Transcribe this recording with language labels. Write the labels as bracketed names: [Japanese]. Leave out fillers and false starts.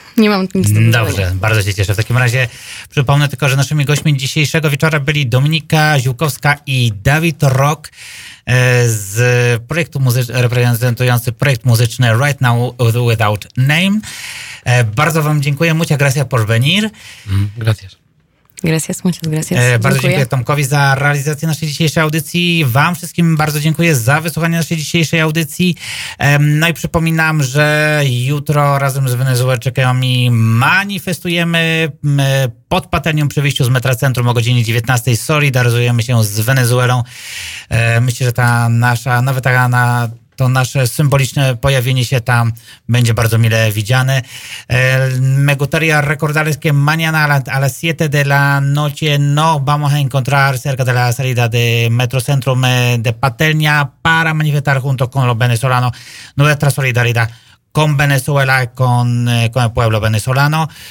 [Polish] Nie mam nic do powiedzenia. Dobrze, bardzo się cieszę. W takim razie przypomnę tylko, że naszymi gośćmi dzisiejszego wieczora byli Dominika Ziółkowska i Dawid Rock z projektu reprezentujący projekt muzyczny Right Now Without Name. Bardzo wam dziękuję. [Spanish] Muchas gracias por venir. Gracias. Gracias, muchas gracias. [Polish] Bardzo dziękuję Tomkowi za realizację naszej dzisiejszej audycji. Wam wszystkim bardzo dziękuję za wysłuchanie naszej dzisiejszej audycji. No i przypominam, że jutro razem z Wenezuelczykami manifestujemy pod Patelnią przy wyjściu z metra Centrum o godzinie 19:00. Solidaryzujemy się z Wenezuelą. Myślę, że to nasze symboliczne pojawienie się tam będzie bardzo mile widziane. [Spanish] Me gustaría recordarles que mañana a las 7 de la noche nos vamos a encontrar cerca de la salida de Metro Centrum de Patelnia para manifestar junto con los venezolanos nuestra solidaridad con Venezuela, con el pueblo venezolano.